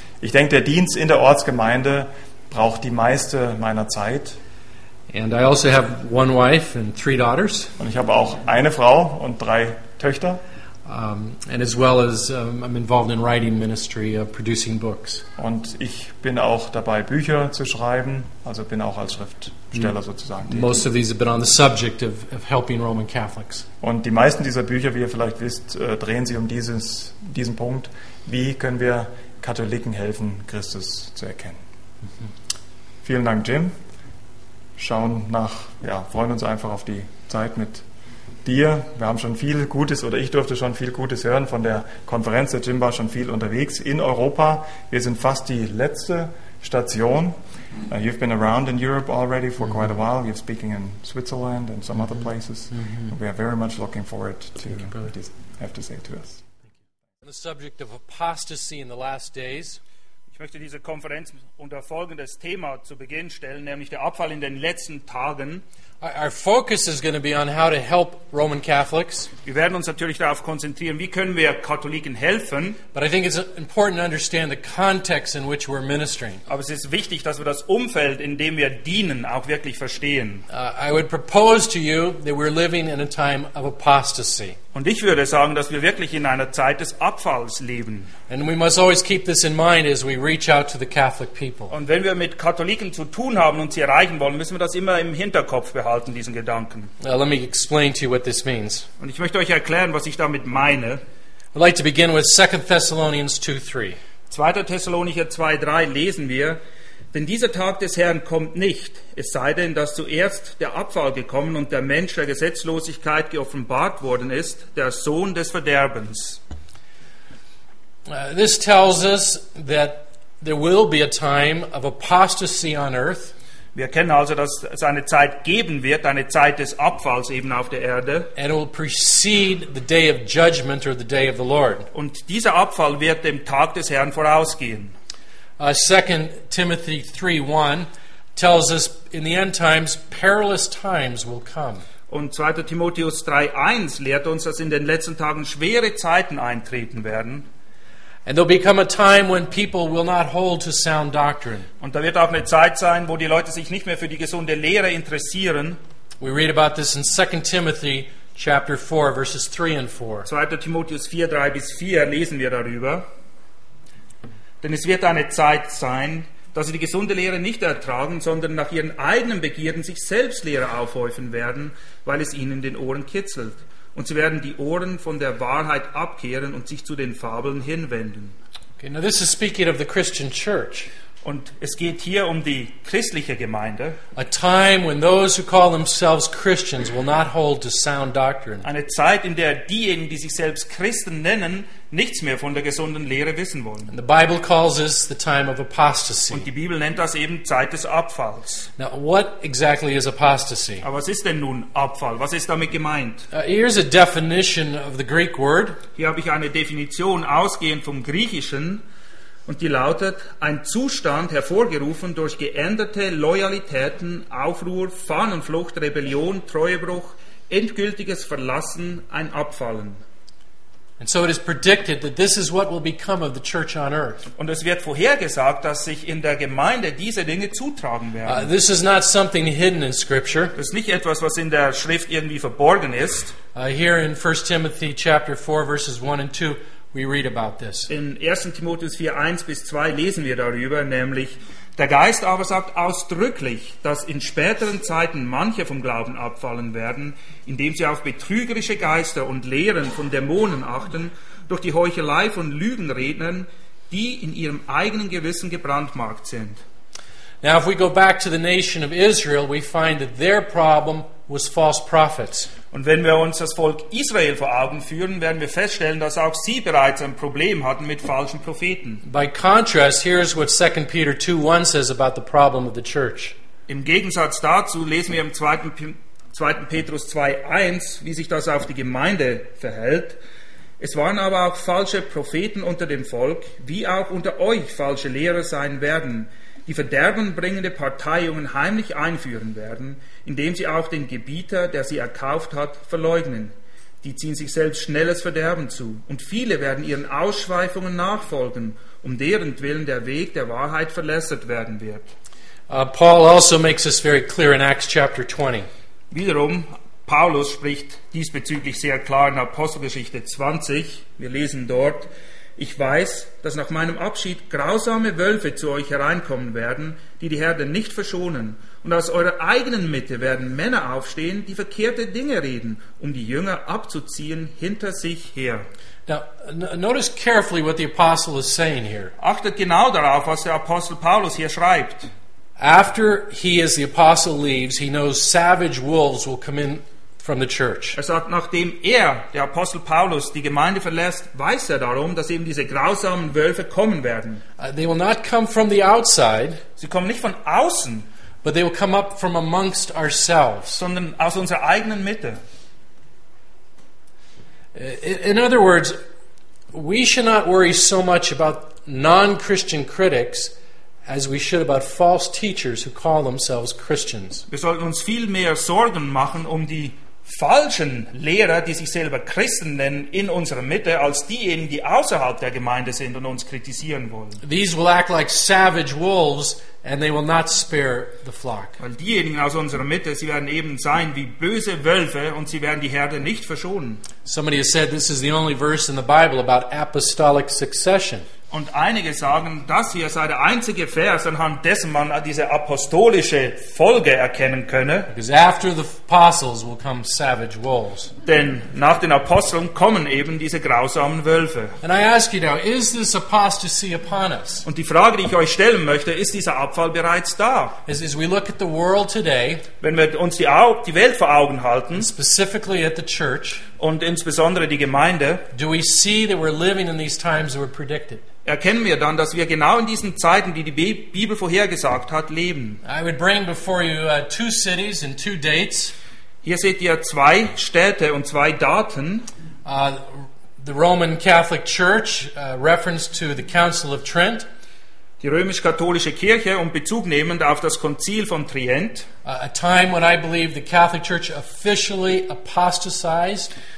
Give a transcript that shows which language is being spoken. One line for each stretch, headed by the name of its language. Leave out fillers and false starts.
German: Ich denke, der Dienst in der Ortsgemeinde braucht die meiste meiner Zeit.
English: And I also have one wife and 3 daughters.
German: Und ich habe auch eine Frau und 3 Töchter.
English: And as well as I'm involved in writing ministry, producing books.
German: Und ich bin auch dabei, Bücher zu schreiben. Also bin auch als Schriftsteller sozusagen tätig.
English: Most of these have been on the subject of helping Roman Catholics.
German: Und die meisten dieser Bücher, wie ihr vielleicht wisst, drehen sich um diesen Punkt: Wie können wir Katholiken helfen, Christus zu erkennen? Mm-hmm. Vielen Dank, Jim. Freuen uns einfach auf die Zeit mit dir. Wir haben schon viel Gutes, oder ich durfte schon viel Gutes hören von der Konferenz. Der Jim war schon viel unterwegs in Europa. Wir sind fast die letzte Station.
English: You've been around in Europe already for quite a while. You're speaking in Switzerland and some other places. Mm-hmm. We are very much looking forward to what you have to say to us. On the subject of apostasy in the last days.
German: Ich möchte diese Konferenz unter folgendes Thema zu Beginn stellen, nämlich der Abfall in den letzten Tagen.
English: Our focus is going to be on how to help Roman Catholics.
German: Wir werden uns natürlich darauf konzentrieren, wie können wir Katholiken helfen.
English: But I think it's important to understand the context in which we're ministering.
German: Aber es ist wichtig, dass wir das Umfeld, in dem wir dienen, auch wirklich verstehen.
English: I would propose to you that we're living in a time of apostasy.
German: Und ich würde sagen, dass wir wirklich in einer Zeit des Abfalls leben.
English: And we must always keep this in mind as we reach out to the Catholic people.
German: Und wenn wir mit Katholiken zu tun haben und sie erreichen wollen, müssen wir das immer im Hinterkopf behalten, diesen Gedanken.
English: Let me explain to you what this means.
German: Und ich möchte euch erklären, was ich damit meine.
English: I'd like to begin with 2 Thessalonians 2:3.
German: 2. Thessalonicher 2:3 lesen wir: Denn dieser Tag des Herrn kommt nicht, es sei denn, dass zuerst der Abfall gekommen und der Mensch der Gesetzlosigkeit geoffenbart worden ist, der Sohn des Verderbens.
English: This tells us that There will be a time of apostasy on earth.
German: Wir kennen also, dass es eine Zeit geben wird, eine Zeit des Abfalls eben auf der Erde.
English: And it will precede the day of judgment or the day of the Lord.
German: Und dieser Abfall wird dem Tag des Herrn vorausgehen.
English: 2 Timothy 3:1 tells us in the end times perilous times will come.
German: Und 2. Timotheus 3:1 lehrt uns, dass in den letzten Tagen schwere Zeiten eintreten werden.
English: And there'll become a time when people will not hold to sound doctrine.
German: Und da wird auch eine Zeit sein, wo die Leute sich nicht mehr für die gesunde Lehre interessieren.
English: We read about this in 2 Timothy chapter 4 verses 3 and 4.
German: 2. Timotheus 4:3 bis 4 lesen wir darüber. Denn es wird eine Zeit sein, dass sie die gesunde Lehre nicht ertragen, sondern nach ihren eigenen Begierden sich selbst Lehrer aufhäufen werden, weil es ihnen in den Ohren kitzelt. Und sie werden die Ohren von der Wahrheit abkehren und sich zu den Fabeln hinwenden.
English: Okay, now this is speaking of the Christian church.
German: Und es geht hier um die christliche Gemeinde.
English: A time when those who call themselves Christians will not hold to sound doctrine.
German: Eine Zeit, in der diejenigen, die sich selbst Christen nennen, nichts mehr von der gesunden Lehre wissen wollen.
English: And the Bible calls this the time of apostasy.
German: Und die Bibel nennt das eben Zeit des Abfalls.
English: Now, what exactly is apostasy?
German: Aber was ist denn nun Abfall? Was ist damit gemeint?
English: Here's a definition of the Greek word.
German: Hier habe ich eine Definition ausgehend vom Griechischen. Und die lautet, ein Zustand hervorgerufen durch geänderte Loyalitäten, Aufruhr, Fahnenflucht, Rebellion, Treuebruch, endgültiges Verlassen, ein Abfallen.
English: And so it is predicted that this is what will become of the church on earth.
German: Und es wird vorhergesagt, dass sich in der Gemeinde diese Dinge zutragen werden.
English: This is not something hidden in scripture.
German: Das ist nicht etwas, was in der Schrift irgendwie verborgen ist.
English: Here in 1 Timothy chapter 4 verses 1 and 2 we read about this.
German: In 1. Timotheus 4:1 bis 2 lesen wir darüber, nämlich der Geist aber sagt ausdrücklich, dass in späteren Zeiten manche vom Glauben abfallen werden, indem sie auf betrügerische Geister und Lehren von Dämonen achten, durch die Heuchelei von Lügenrednern, die in ihrem eigenen Gewissen gebrandmarkt sind.
English: Now if we go back to the nation of Israel, we find that their problem was false prophets.
German: Und wenn wir uns das Volk Israel vor Augen führen, werden wir feststellen, dass auch sie bereits ein Problem hatten mit falschen Propheten.
English: By contrast, here's what 2 Peter 2:1 says about the problem of the church.
German: Im Gegensatz dazu lesen wir im 2. Petrus 2:1, wie sich das auf die Gemeinde verhält. Es waren aber auch falsche Propheten unter dem Volk, wie auch unter euch falsche Lehrer sein werden, die verderbenbringende Parteiungen heimlich einführen werden, indem sie auch den Gebieter, der sie erkauft hat, verleugnen. Die ziehen sich selbst schnelles Verderben zu, und viele werden ihren Ausschweifungen nachfolgen, um deren Willen der Weg der Wahrheit verlässert werden wird.
English: Paul also makes this very clear in Acts chapter 20.
German: Wiederum, Paulus spricht diesbezüglich sehr klar in Apostelgeschichte 20. Wir lesen dort, ich weiß, dass nach meinem Abschied grausame Wölfe zu euch hereinkommen werden, die die Herde nicht verschonen. Und aus eurer eigenen Mitte werden Männer aufstehen, die verkehrte Dinge reden, um die Jünger abzuziehen hinter sich her.
English: Now, notice carefully what the apostle is saying here.
German: Achtet genau darauf, was der Apostel Paulus hier schreibt.
English: After he, as the apostle, leaves, he knows savage wolves will come in. From the church.
German: Er sagt, nachdem er, der Apostel Paulus, die Gemeinde verlässt, weiß er darum, dass eben diese grausamen Wölfe kommen werden.
English: They will not come from the outside.
German: Sie kommen nicht von außen.
English: But they will come up from amongst ourselves.
German: Sondern aus unserer eigenen Mitte.
English: In other words, we should not worry so much about non-Christian critics as we should about false teachers who call themselves Christians.
German: Wir sollten uns viel mehr Sorgen machen um die falschen Lehrer, die sich selber Christen nennen, in unserer Mitte, als diejenigen, die außerhalb der Gemeinde sind und uns kritisieren wollen.
English: These will act like savage wolves, and they will not spare the flock.
German: Weil diejenigen aus unserer Mitte, sie werden eben sein wie böse Wölfe, und sie werden die Herde nicht verschonen.
English: Somebody has said this is the only verse in the Bible about apostolic succession.
German: Und einige sagen, das hier sei der einzige Vers, anhand dessen man diese apostolische Folge erkennen könne.
English: Because after the apostles will come savage wolves.
German: Denn nach den Aposteln kommen eben diese grausamen Wölfe.
English: And I ask you now, is this apostasy upon us?
German: Und die Frage, die ich euch stellen möchte, ist dieser Abfall bereits da?
English: As we look at the world today,
German: wenn wir uns die Welt vor Augen halten,
English: specifically at the church,
German: und insbesondere die Gemeinde,
English: do we see that we're living in these times that were predicted?
German: erkennen wir dann, dass wir genau in diesen Zeiten, die die Bibel vorhergesagt hat, leben.
English: I would bring before you two cities and two dates.
German: Hier seht ihr zwei Städte und zwei Daten.
English: The Roman Catholic Church reference to the Council of Trent.
German: Die römisch-katholische Kirche und Bezug nehmend auf das Konzil von Trient.
English: A time when I believe the Catholic Church officially apostatized.